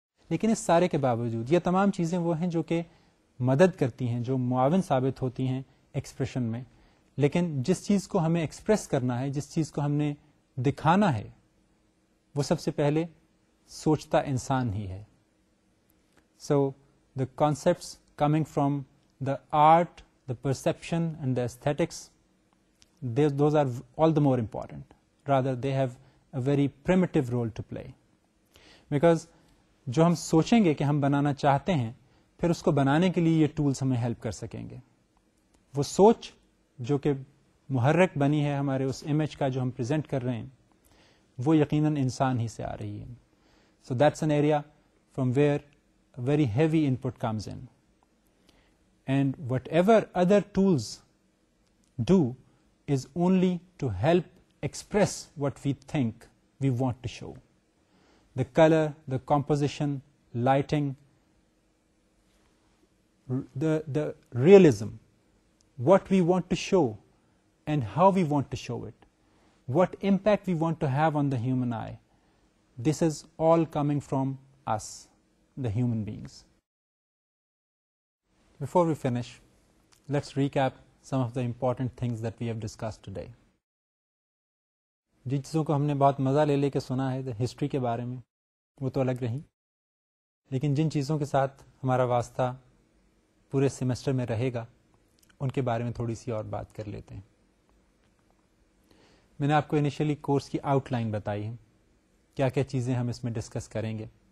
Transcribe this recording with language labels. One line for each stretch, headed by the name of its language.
Urdu: لیکن اس سارے کے باوجود یہ تمام چیزیں وہ ہیں جو کہ مدد کرتی ہیں, جو معاون ثابت ہوتی ہیں ایکسپریشن میں, لیکن جس چیز کو ہمیں ایکسپریس کرنا ہے, جس چیز کو ہم نے دکھانا ہے, وہ سب سے پہلے سوچتا انسان ہی ہے.
English: So the concepts coming from the art, the perception and the aesthetics, those are all the more important, rather they have a very primitive role to play.
Urdu: Because جو ہم سوچیں گے کہ ہم بنانا چاہتے ہیں, پھر اس کو بنانے کے لیے یہ ٹولس ہمیں ہیلپ کر سکیں گے. وہ سوچ جو کہ محرک بنی ہے ہمارے اس امیج کا جو ہم پریزنٹ کر رہے ہیں, وہ یقیناً انسان ہی سے آ رہی ہے.
English: So that's an area from where very heavy input comes in, and whatever other tools do is only to help express what we think we want to show. The color, the composition, lighting, the realism, what we want to show and how we want to show it, what impact we want to have on the human eye, this is all coming from us, the human beings. Before we finish, let's recap some of the important things that we have discussed today.
Urdu: Jin cheezon ko humne bahut maza le le ke suna hai, the history ke bare mein, وہ تو الگ رہیں, لیکن جن چیزوں کے ساتھ ہمارا واسطہ پورے سیمسٹر میں رہے گا ان کے بارے میں تھوڑی سی اور بات کر لیتے ہیں. میں نے آپ کو انیشیلی کورس کی آؤٹ لائن بتائی ہے, کیا کیا چیزیں ہم اس میں ڈسکس کریں گے.